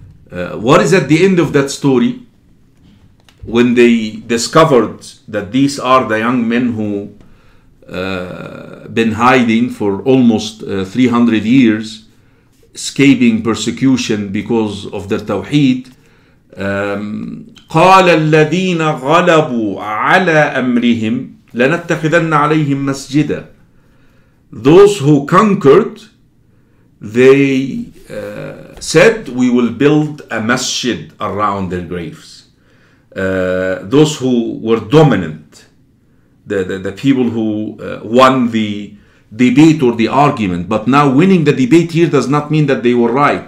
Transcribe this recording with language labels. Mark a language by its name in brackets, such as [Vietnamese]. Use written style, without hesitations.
[English] What is at the end of that story? When they discovered that these are the young men who been hiding for almost 300 years, escaping persecution because of their tawheed. [Arabic] قال الذين غلبوا على أمرهم لنتخذن عليهم مسجدا. [English] Those who conquered, they said, we will build a masjid around their graves. Those who were dominant, the people who won the debate or the argument, but now winning the debate here does not mean that they were right.